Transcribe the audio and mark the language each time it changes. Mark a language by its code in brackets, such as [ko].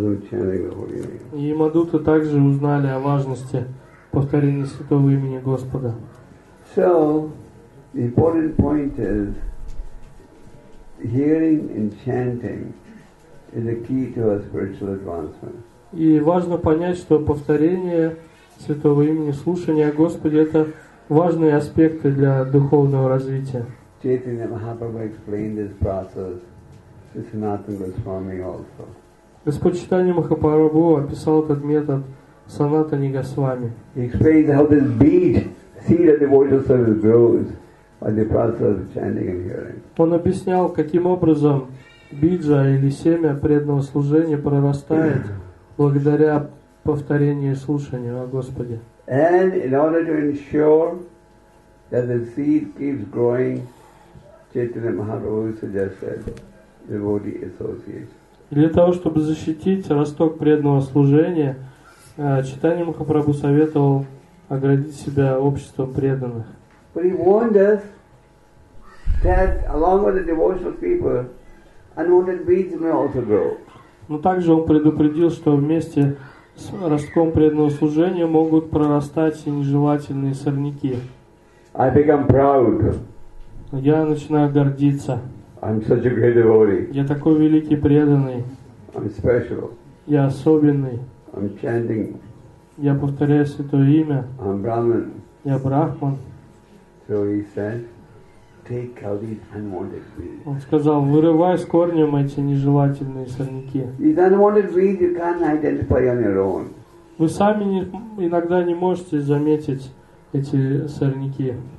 [ru] И Ямадуты также узнали о важности повторения святого имени Господа. [en] So, the important point is, hearing and chanting is the key to our spiritual advancement. [ru] И важно понять, что повторение святого имени, слушание о Господе, это важные аспекты для духовного развития. [en] Chaitanya Mahaprabhu explained this process to Sanatana Goswami also. [ru] Господь Чайтанья Махапрабху описал этот метод Санатани Госвами. [en] He explains how this bead, seed of devotional service grows by the process of chanting and hearing. [ru] Он объяснял, каким образом биджа или семя преданного служения прорастает благодаря повторению и слушанию о Господе. [en] And in order to ensure that the seed keeps growing, Chaitanya Mahaprabhu suggested devotee association. [ru] Для того, чтобы защитить росток преданного служения, Чайтанья Махапрабху советовал оградить себя обществом преданных. [en] But he warned us that along with the devotional people, unwanted weeds may also grow. [ru] Но также он предупредил, что вместе с ростком преданного служения могут прорастать и нежелательные сорняки. [en] I become proud. [ru] Я начинаю гордиться. [en] I'm such a great devotee. [ru] Я такой великий преданный. [en] I'm special. [ru] Я особенный. [en] I'm chanting. [ru] Я повторяю святое имя. [en] I'm Brahman. [ru] Я Брахман. [en] So he said, take out these unwanted weeds. [ru] Он сказал, вырывай с корнем эти нежелательные сорняки. [en] These unwanted weeds you can't identify on your own. [ru] Вы сами иногда не можете заметить эти сорняки.